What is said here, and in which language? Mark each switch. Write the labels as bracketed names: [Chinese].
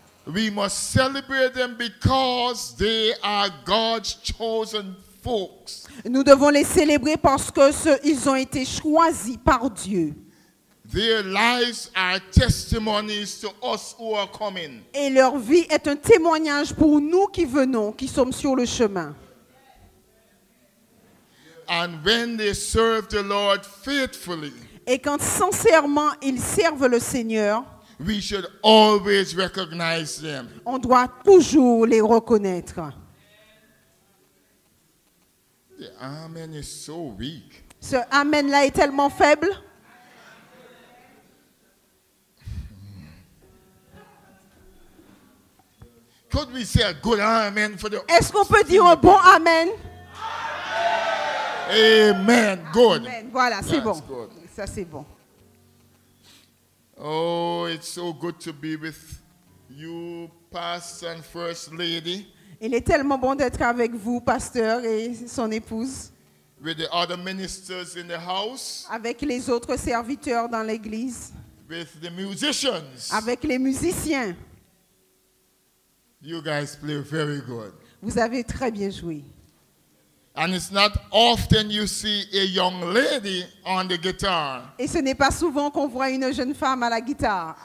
[English] We must celebrate them because they are God's chosen folks. [French] Nous devons les célébrer parce que ils ont été choisis par Dieu. [English] Their lives are testimonies to us who are coming. [French] Et leur vie est un témoignage pour nous qui venons, qui sommes sur le chemin. [English] And when they serve the Lord faithfully, [French] et quand sincèrement ils servent le Seigneur, [English] we should always recognize them. [French] On doit toujours les reconnaître. [English] The amen is so weak. [French] Ce amen-là est tellement faible. [English] Could we say a good amen for the? [French] Est-ce qu'on peut dire un bon amen? [English] Amen. Good. Amen. [French] Voilà, c'est bon. Good. Ça c'est bon. [English] Oh, it's so good to be with you, Pastor and First Lady. [French] Il est tellement bon d'être avec vous, Pasteur et son épouse. [English] With the other ministers in the house. [French] Avec les autres serviteurs dans l'église. [English] With the musicians. [French] Avec les musiciens. [English] You guys play very good. [French] Vous avez très bien joué. [English] And it's not often you see a young lady on the guitar. [French] Et ce n'est pas souvent qu'on voit une jeune femme à la guitare.